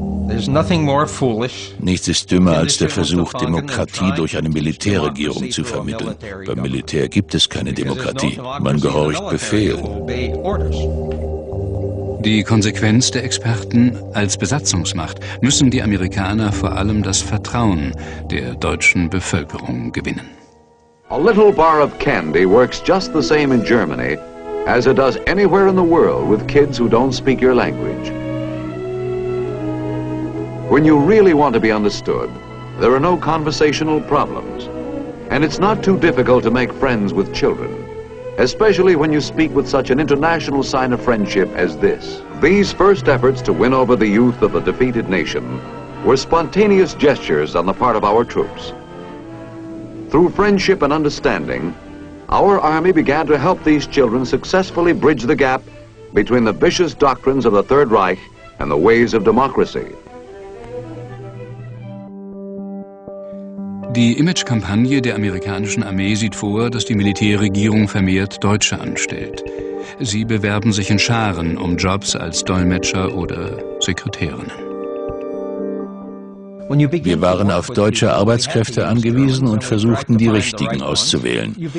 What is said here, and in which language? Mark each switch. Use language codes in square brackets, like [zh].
[de] Nichts ist dümmer als der Versuch, Demokratie durch eine Militärregierung zu vermitteln. Beim Militär gibt es keine Demokratie. Man gehorcht Befehlen. Die Konsequenz der Experten: als Besatzungsmacht müssen die Amerikaner vor allem das Vertrauen der deutschen Bevölkerung gewinnen. [en] A little bar of candy works just the same in Germany as it does anywhere in the world with kids who don't speak your language. When you really want to be understood, there are no conversational problems. And it's not too difficult to make friends with children. Especially when you speak with such an international sign of friendship as this. These first efforts to win over the youth of a defeated nation were spontaneous gestures on the part of our troops. Through friendship and understanding, our army began to help these children successfully bridge the gap between the vicious doctrines of the Third Reich and the ways of democracy. [de] Die Imagekampagne der amerikanischen Armee sieht vor, dass die Militärregierung vermehrt Deutsche anstellt. Sie bewerben sich in Scharen um Jobs als Dolmetscher oder Sekretärinnen. Wir waren auf deutsche Arbeitskräfte angewiesen und versuchten, die richtigen auszuwählen.